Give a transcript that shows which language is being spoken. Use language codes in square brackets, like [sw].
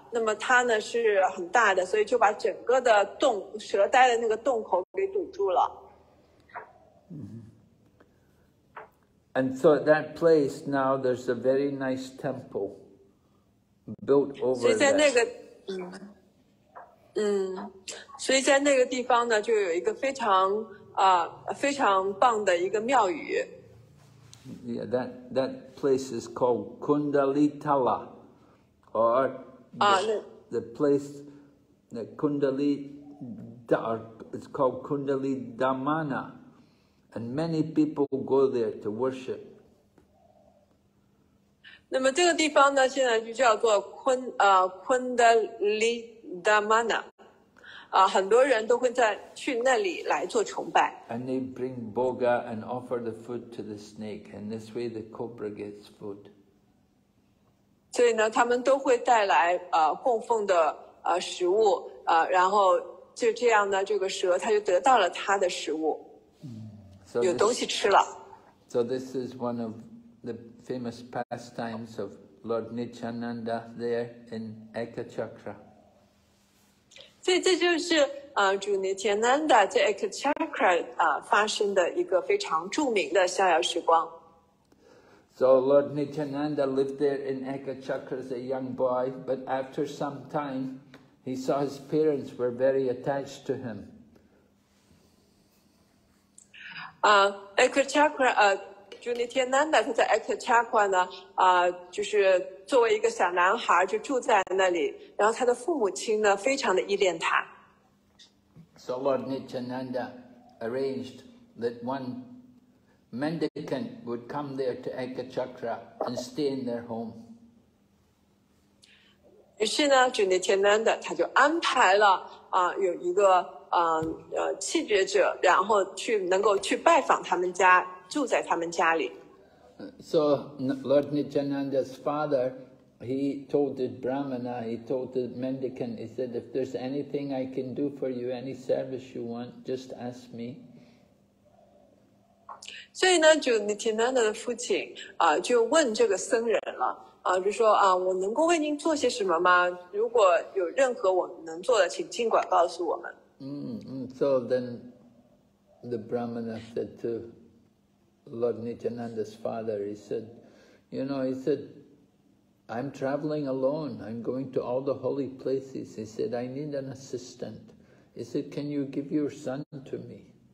[zh] 那么它呢是很大的，所以就把整个的洞蛇呆的那个洞口给堵住了。 [en] And so at that place now there's a very nice temple built over there. [zh] 所以在那个所以在那个地方呢就有一个非常非常棒的一个庙宇。 [en] Yeah, that place is called Kundalitala, or the place that it's called Kundali Damana, and many people go there to worship. [zh] 那么这个地方呢，现在就叫做Kundali Damana, 啊，很多人都会在去那里来做崇拜。 [en] And they bring boga and offer the food to the snake, and this way the cobra gets food. [zh] 所以呢，他们都会带来供奉的食物然后就这样呢，这个蛇它就得到了它的食物， [en] so、 [zh] 有东西吃了。 [en] So this is one of the famous pastimes of Lord Nityananda there in Ekachakra. [zh] 所以这就是主尼天南达在 Ekachakra 发生的一个非常著名的逍遥时光。 [en] So Lord Nityananda lived there in Ekachakra as a young boy, but after some time, he saw his parents were very attached to him. [zh] Ekachakra, 他在 Ekachakra 呢，就是作为一个小男孩就住在那里，然后他的父母亲呢非常的依恋他。 [en] So Lord Nityananda arranged that one mendicant would come there to Ekachakra and stay in their home. [zh] 于是呢，主尼天南达他就安排了有一个弃绝者，然后去能够去拜访他们家。住在他们家里。 [en] So Lord Nityananda's father, he told the Brahmana, he told the mendicant, he said, if there's anything I can do for you, any service you want, just ask me. [zh] 所以呢，就 Nityananda 的父亲就问这个僧人了，就说我能够为您做些什么吗？如果有任何我能做的，请尽管告诉我们。 [en] So then the Brahmana said to Lord Nityananda's father, he said, you know, he said, I'm traveling alone. I'm going to all the holy places. He said, I need an assistant. He said, can you give your son to me?